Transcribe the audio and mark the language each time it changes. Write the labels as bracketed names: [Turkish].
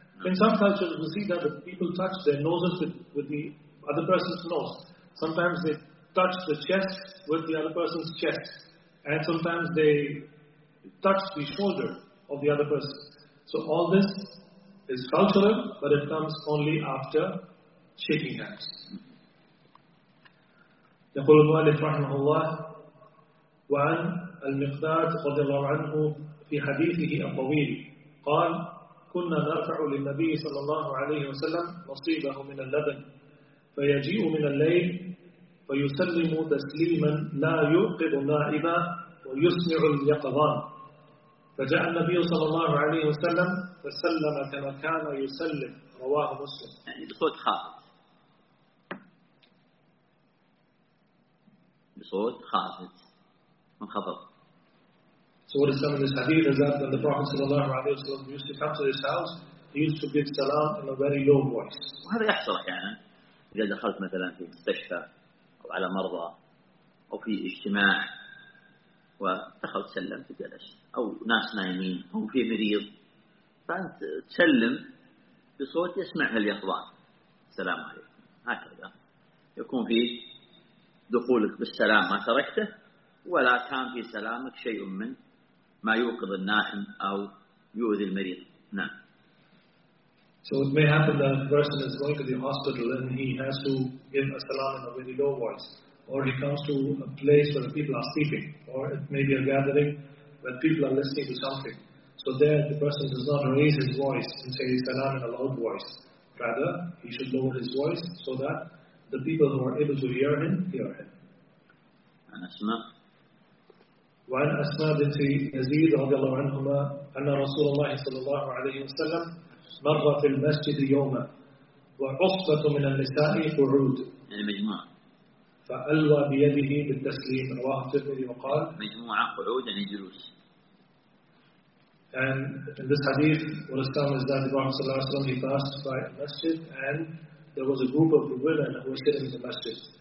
[English] In some cultures, we see that the people touch their noses with the other person's nose. Sometimes they touch the chest with the other person's chest. And sometimes they touch the shoulder of the other person. So all this is cultural, but it comes only after shaking hands. [Arabic] يقول المؤلف رحمه الله وعن المقداد رضي الله عنه في حديثه الطويل قال كنا نرفع للنبي صلى الله عليه وسلم نصيبه من اللبن فيجيء من الليل فيسلم تسليما لا يوقظ نائما ويسمع اليقظان فجاء النبي صلى الله عليه وسلم فسلم كما كان يسلم رواه مسلم. يعني بصوت خافت. بصوت خافت. من خفض. [English] So what is some of this hadith is that when the Prophet صلى الله عليه وسلم used to come to his house, he used to give salam in a very low voice. [Arabic] وهذا يحصل أحيانا إذا دخلت مثلا في مستشفى أو على مرضى أو في اجتماع ودخلت سلم في جلس أو ناس نايمين أو في مريض، فأنت تسلم بصوت يسمعه اليقظان السلام عليكم، هكذا يكون في دخولك بالسلام ما تركته، ولا كان في سلامك شيء من ما يوقظ النائم أو يؤذي المريض. نعم. [English] So it may happen that a person is going to the hospital and he has to give a salam in a very low voice, or he comes to a place where the people are sleeping, or it may be a gathering where people are listening to something. So there the person does not raise his voice and say salam in a loud voice. Rather, he should lower his voice so that the people who are able to hear him, hear him. And Asma. [Arabic] وعن أسماء بنت يزيد رضي الله عنهما أن رسول الله صلى الله عليه وسلم مر في المسجد يوما وعصبة من النساء قعود يعني مجموعة فألوى بيده بالتسليم رواه الترمذي وقال مجموعة قعود يعني جلوس. [English] And in this hadith what is done is that the Prophet صلى الله عليه وسلم he passed by a masjid and there was a group of women who were sitting in the masjid.